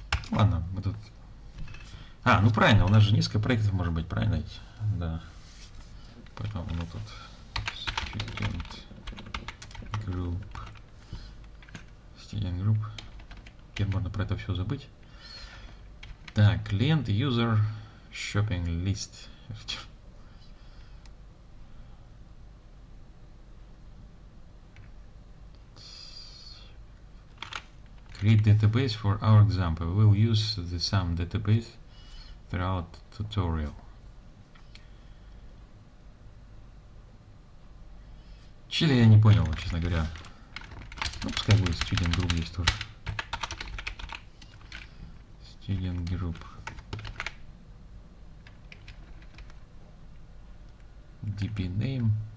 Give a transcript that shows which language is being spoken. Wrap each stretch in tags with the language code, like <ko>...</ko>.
<ru>Ладно, мы тут. А, ну правильно, у нас же несколько проектов может быть, правильно? Да. Поэтому мы тут student group.</ru> <en>Group.</en> <ru>Теперь можно про это все забыть. Так, клиент,</ru> <en>user, shopping list. Create database for our example. We'll use the same database throughout tutorial.</en> <ru>Чили я не понял, честно говоря. Ну, пускай будет student group здесь тоже.</ru> <en>Student group. DB name.</en>